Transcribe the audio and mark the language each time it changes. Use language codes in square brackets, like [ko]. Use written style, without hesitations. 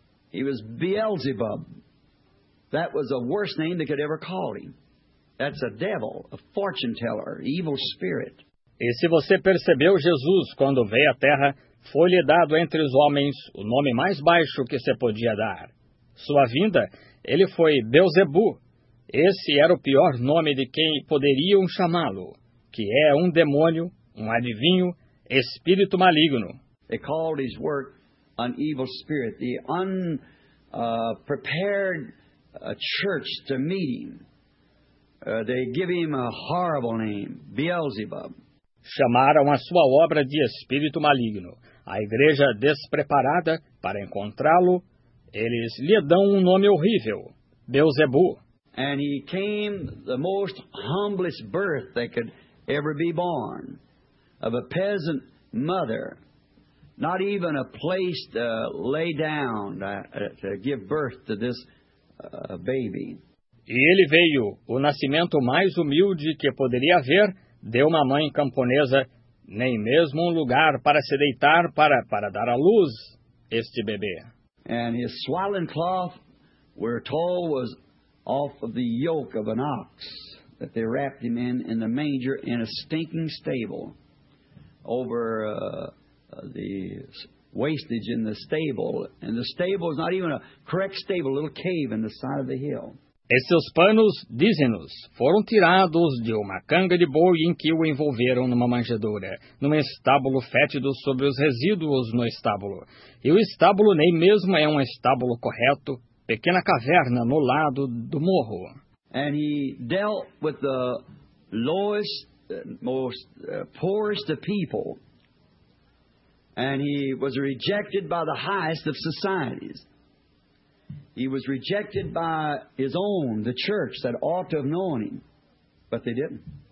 [en] He was Beelzebub. That was the worst name they could ever call him. That's a devil, a fortune teller, evil spirit. [pt] E se você percebeu, Jesus, quando veio à terra, foi-lhe dado entre os homens o nome mais baixo que se podia dar. Sua vinda, ele foi Beelzebu. Esse era o pior nome de quem poderiam chamá-lo, que é um demônio, um adivinho, espírito maligno. [en] They called his work an evil spirit, the unprepared church to meet him. They give him a horrible name, Beelzebub. [pt] Chamaram a sua obra de espírito maligno, a igreja despreparada para encontrá-lo. Eles lhe dão um nome horrível, Beelzebu. [en] And he came the most humblest birth that could ever be born, of a peasant mother, not even a place to lay down, to give birth to this baby. [pt] E ele veio, o nascimento mais humilde que poderia haver, de uma mãe camponesa, nem mesmo um lugar para se deitar para dar à luz este bebê. [en] And his swaddling cloth, we're told, was off of the yoke of an ox that they wrapped him in the manger in a stinking stable over the wastage in the stable. And the stable is not even a correct stable, a little cave in the side of the hill. [pt] Esses panos, dizem-nos, foram tirados de uma canga de boi em que o envolveram numa manjedoura, num estábulo fétido sobre os resíduos no estábulo. E o estábulo nem mesmo é um estábulo correto, pequena caverna no lado do morro. [en] And he dealt with the lowest, most poorest of people. And he was rejected by the highest of societies. He was rejected by his own, the church, that ought to have known him, but they didn't.